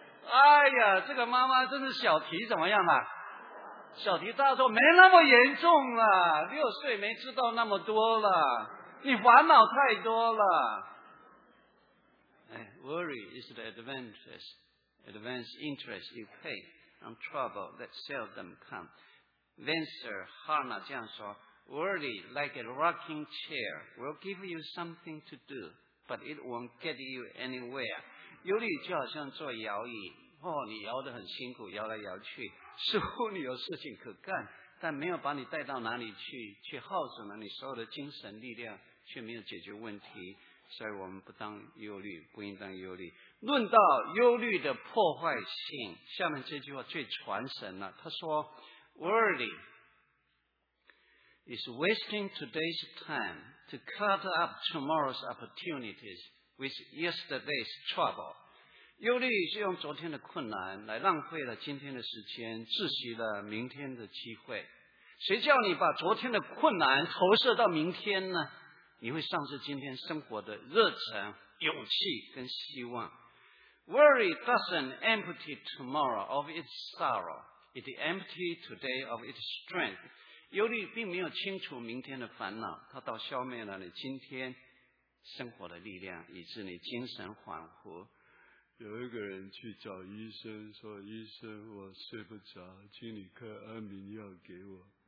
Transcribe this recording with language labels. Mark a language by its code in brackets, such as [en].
[zh] 哎呀，这个妈妈真是小题怎么样啊？小题大做，没那么严重了，6岁没知道那么多了，你烦恼太多了。哎， [en] Worry is the advantage advance interest you pay on trouble that seldom come. Then Sir Hana [zh] 这样说 [en] worry like a rocking chair will give you something to do, but it won't get you anywhere. [zh] 忧虑就好像坐摇椅，哦，你摇得很辛苦，摇来摇去，似乎你有事情可干，但没有把你带到哪里去，却耗损了你所有的精神力量，却没有解决问题。所以我们不当忧虑，不应当忧虑。论到忧虑的破坏性，下面这句话最传神了。他说 [en] Worry is wasting today's time to cut up tomorrow's opportunities with yesterday's trouble. [zh] 忧虑是用昨天的困难来浪费了今天的时间，窒息了明天的机会。谁叫你把昨天的困难投射到明天呢？你会丧失今天生活的热忱、勇气跟希望。 [en] Worry doesn't empty tomorrow of its sorrow. It empties today of its strength. [zh] 忧虑并没有清除明天的烦恼，它倒消灭了你今天生活的力量，以致你精神恍惚。有一个人去找医生说，医生，我睡不着，请你开安眠药给我。